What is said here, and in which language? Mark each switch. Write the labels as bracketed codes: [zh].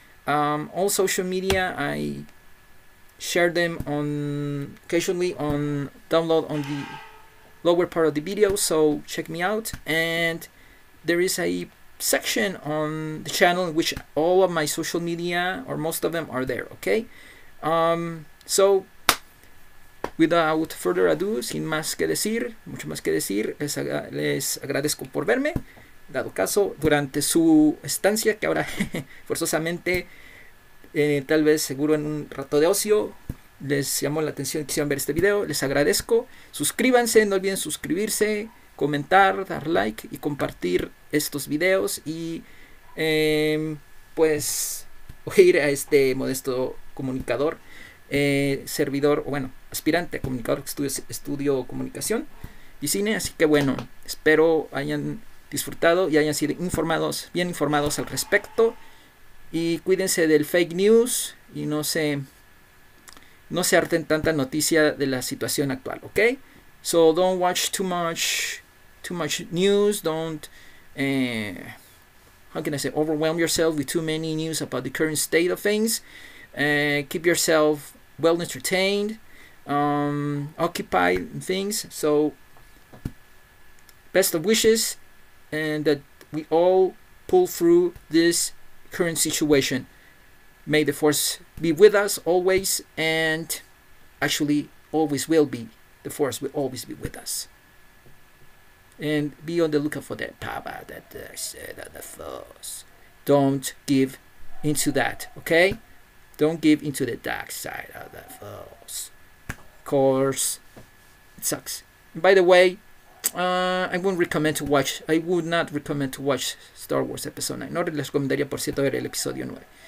[en] All social media, I share them on occasionally on download on the lower part of the video, so check me out. And there is a section on the channel in which all of my social media or most of them are there, okay? So without further ado, [es] sin más que decir, mucho más que decir, les agradezco por verme. Dado caso, durante su estancia, que ahora forzosamente, tal vez seguro en un rato de ocio, les llamó la atención y quisieron ver este video, les agradezco. Suscríbanse, no olviden suscribirse, comentar, dar like y compartir estos videos y pues oír a este modesto comunicador, servidor, bueno, aspirante a comunicador que estudio comunicación y cine. Así que bueno, espero hayan disfrutado y hayan sido informados, bien informados al respecto. Y cuídense del fake news y no se harten tanta noticia de la situación actual, ¿ok? [en] So don't watch too much news. Don't, how can I say, overwhelm yourself with too many news about the current state of things. Keep yourself well entertained, occupied in things. So best of wishes. And that we all pull through this current situation. May the force be with us always, and actually always will be. The force will always be with us. And be on the lookout for that power that I said on the force. Don't give into that, okay? Don't give into the dark side of the force. Of course, it sucks. And by the way, I would not recommend to watch Star Wars Episode 9. [es] No les recomendaría, por cierto, ver el episodio 9.